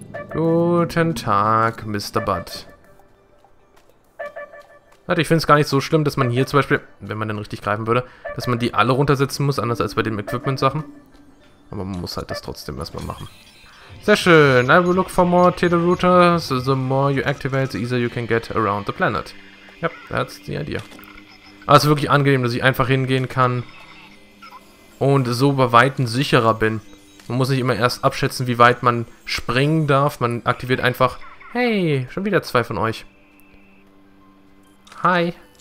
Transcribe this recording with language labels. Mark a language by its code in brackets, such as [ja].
[de] Guten Tag, Mr. Bud. Warte, ich finde es gar nicht so schlimm, dass man hier zum Beispiel, wenn man denn richtig greifen würde, dass man die alle runtersetzen muss, anders als bei den Equipment-Sachen. Aber man muss halt das trotzdem erstmal machen. Sehr schön. [en] I will look for more Tele-Routers. The more you activate, the easier you can get around the planet. Yep, that's the idea. [de] Also wirklich angenehm, dass ich einfach hingehen kann und so bei Weitem sicherer bin. Man muss nicht immer erst abschätzen, wie weit man springen darf. Man aktiviert einfach... Hey, schon wieder 2 von euch. Hi.